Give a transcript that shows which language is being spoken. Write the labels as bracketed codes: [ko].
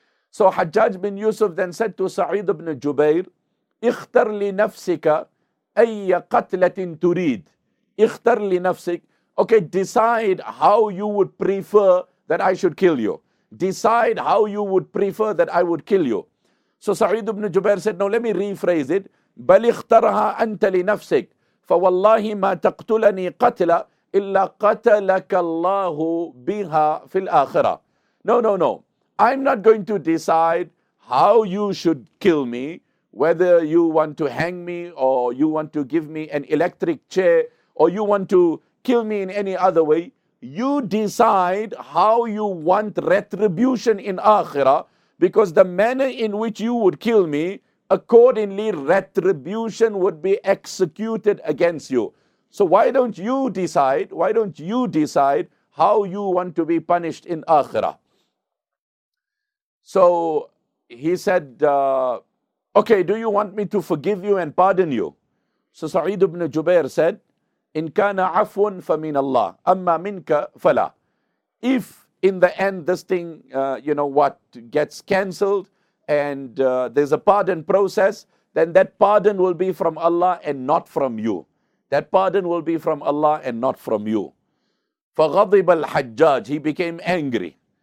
[en] So Hajjaj bin Yusuf then said to Sa'id ibn Jubayr, [ar] اختر لنفسك أي قتلة تريد. اختر لنفسك. [en] Okay, decide how you would prefer that I should kill you. Decide how you would prefer that I would kill you. So Sa'id ibn Jubayr said, no, let me rephrase it. [ar] بل اخترها أنت لنفسك. فوالله ما تقتلني قتلة إلا قتلك الله بها في الآخرة. [en] No. I'm not going to decide how you should kill me, whether you want to hang me or you want to give me an electric chair or you want to kill me in any other way. You decide how you want retribution in Akhirah, because the manner in which you would kill me, accordingly retribution would be executed against you. So why don't you decide? Why don't you decide how you want to be punished in Akhirah? So he said, okay, do you want me to forgive you and pardon you? So Sa'id ibn Jubayr said, [ar] إِن كَانَ عَفْوٌ فَمِنَ اللَّهِ أَمَّا مِنْكَ فَلَا. [en] If in the end this thing, gets cancelled and there's a pardon process, then that pardon will be from Allah and not from you. That pardon will be from Allah and not from you. [ar] فَغَضِبَ الْحَجَّاجِ. [en] He became angry.